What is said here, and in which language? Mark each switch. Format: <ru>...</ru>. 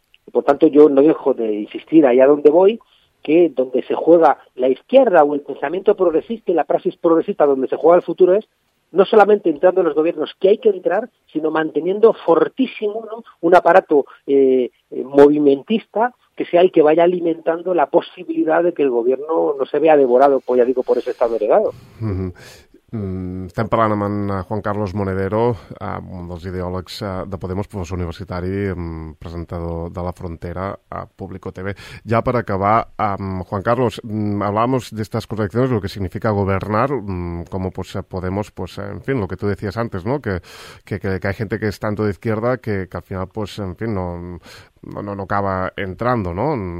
<es>Y por tanto, yo no dejo de insistir allá donde voy, que donde se juega la izquierda o el pensamiento progresista y la praxis progresista, donde se juega el futuro es no solamente entrando en los gobiernos, que hay que entrar, sino manteniendo fortísimo, ¿no?, un aparato movimentista que sea el que vaya alimentando la posibilidad de que el gobierno no se vea devorado, pues ya digo, por ese Estado heredado. Mm-hmm.</es> <ca>Estem parlant amb Juan Carlos Monedero, un dels ideòlegs de Podemos, professor universitari, presentador de La Frontera, a Público TV. Ja per acabar,</ca> <es>Juan Carlos, hablamos de estas contradicciones, lo que significa gobernar, como pues, Podemos, pues, en fin, lo que tú decías antes, ¿no?, que hay gente que es tanto de izquierda que al final, pues, en fin, no acaba entrando, ¿no?</es>